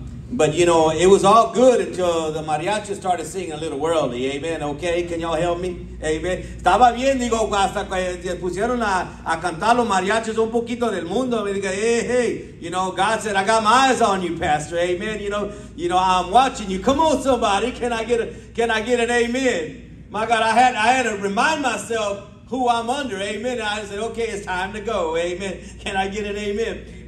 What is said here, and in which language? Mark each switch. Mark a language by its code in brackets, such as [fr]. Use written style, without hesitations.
[en] But, you know, it was all good until the mariachi started singing a little worldly. Amen. Okay, can y'all help me? Amen. [es] Estaba bien, digo, hasta que pusieron a cantar los mariachis un poquito del mundo. [en] I mean, hey, you know, God said, I got my eyes on you, Pastor. Amen. You know, I'm watching you. Come on, somebody. Can I get an amen? My God, I had to remind myself who I'm under. Amen. I said, okay, it's time to go. Amen. Can I get an amen?